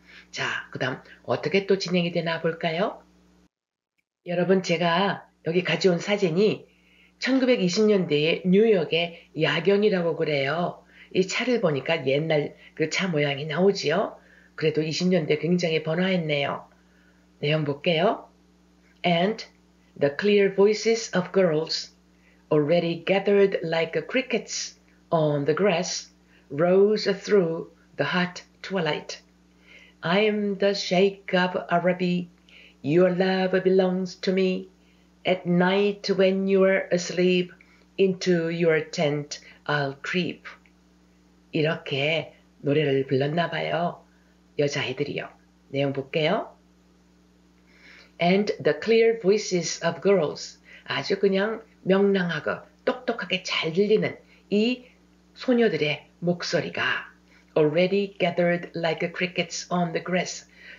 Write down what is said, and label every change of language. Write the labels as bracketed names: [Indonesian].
[Korean] 자, 그 다음 어떻게 또 진행이 되나 볼까요? 여러분, 제가 여기 가져온 사진이 1920년대의 뉴욕의 야경이라고 그래요. 이 차를 보니까 옛날 그 차 모양이 나오지요. 그래도 20년대 굉장히 번화했네요. 내용 볼게요. [English] And the clear voices of girls, already gathered like crickets on the grass, rose through the hot twilight. I am the Sheikh of Araby. Your love belongs to me. At night when you're asleep, into your tent I'll creep. [Korean] 이렇게 노래를 불렀나 봐요. 여자애들이요. 내용 볼게요. [English] And the clear voices of girls. [Korean] 아주 그냥 명랑하고 똑똑하게 잘 들리는 이 소녀들의 목소리가 [English] already gathered like crickets on the grass.